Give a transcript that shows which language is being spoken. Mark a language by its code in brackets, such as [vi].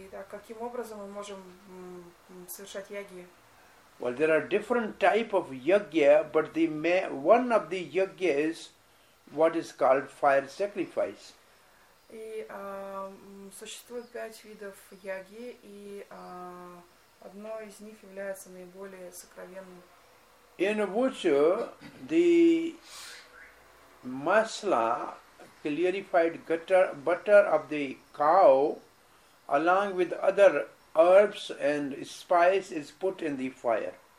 [ru] Каким образом мы можем совершать яги? [en] Well, there are different type of yajna, but the one of the yajna is what is called fire sacrifice. [ru] И существует пять видов яги, и одно из них является наиболее сокровенным. [en] In which the masala, clarified butter of the cow, along with other herbs and spice, is put in the fire.